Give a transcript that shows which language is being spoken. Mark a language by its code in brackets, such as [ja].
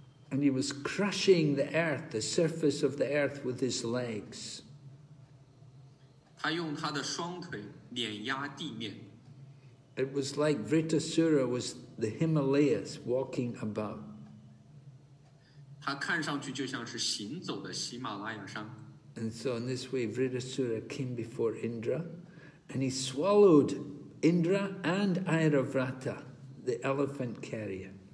[en] And he was crushing the earth, the surface of the earth with his legs. [zh] 他用他的双腿碾压地面。 [en] It was like Vritasura was the Himalayas walking about. [zh] 他看上去就像是行走的喜马拉雅山。 [en] And so in this way, Vritasura came before Indra, and he swallowed Indra and Airavrata, the elephant carrier.